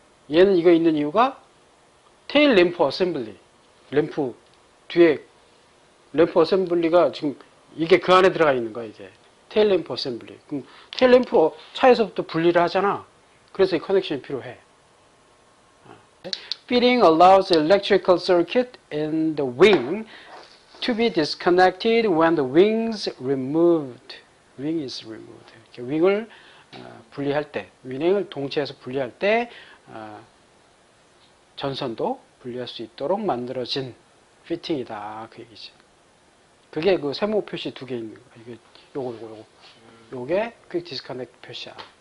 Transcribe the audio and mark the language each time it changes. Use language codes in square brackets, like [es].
[ko] 얘는 이거 있는 이유가 테일 램프 어셈블리. 램프 뒤에 램프 어셈블리가 지금 이게 그 안에 들어가 있는 거야, 이게. 테일 램프 어셈블리. 그럼 테일 램프 차에서부터 분리를 하잖아. 그래서 이 커넥션이 필요해. [en] Fitting allows electrical circuit in the wing to be disconnected when the wings removed. Wing is removed. [ko] 이렇게 윙을 분리할 때, 윙을 동체에서 분리할 때 전선도 분리할 수 있도록 만들어진 피팅이다. 그 얘기지. 그게 그 세모 표시 두 개 있는 거야. 이게 요거 요거 요거. 요게 퀵 디스커넥트 표시야.